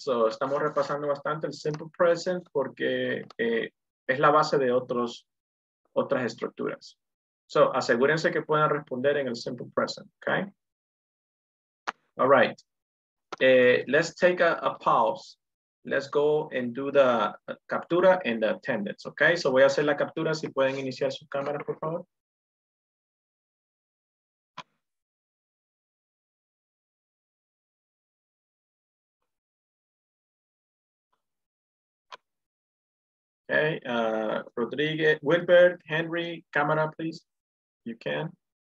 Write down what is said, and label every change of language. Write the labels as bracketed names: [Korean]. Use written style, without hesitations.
[Spanish] So, estamos repasando bastante el simple present porque es la base de otras estructuras. So, asegúrense que puedan responder en el simple present, okay? [English] All right, let's take a pause. Let's go and do the captura and the attendance, okay? [Spanish] So voy a hacer la captura, si pueden iniciar su cámara, por favor. [English] Okay, Rodriguez, Wilbert, Henry, camera, please, you can.